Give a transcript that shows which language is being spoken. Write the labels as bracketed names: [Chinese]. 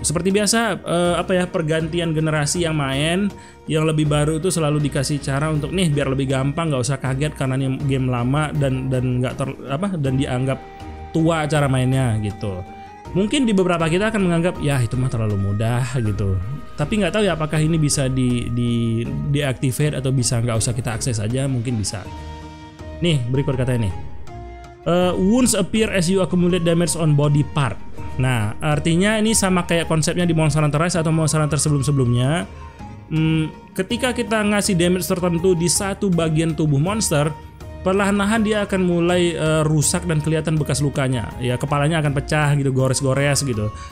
[Indonesian] Seperti biasa pergantian generasi yang main yang lebih baru itu selalu dikasih cara untuk nih biar lebih gampang, nggak usah kaget karena ini game lama dan dianggap tua cara mainnya gitu. Mungkin di beberapa kita akan menganggap ya itu mah terlalu mudah gitu. Tapi nggak tahu ya apakah ini bisa di-deactivate atau bisa nggak usah kita akses aja, mungkin bisa. Nih, berikut katanya nih. [English] Wounds appear as you accumulate damage on body part. [Indonesian] Nah, artinya ini sama kayak konsepnya di Monster Hunter Rise atau Monster Hunter sebelum-sebelumnya. Ketika kita ngasih damage tertentu di satu bagian tubuh monster, perlahan-lahan dia akan mulai rusak dan kelihatan bekas lukanya. Ya, kepalanya akan pecah gitu, gores-gores gitu.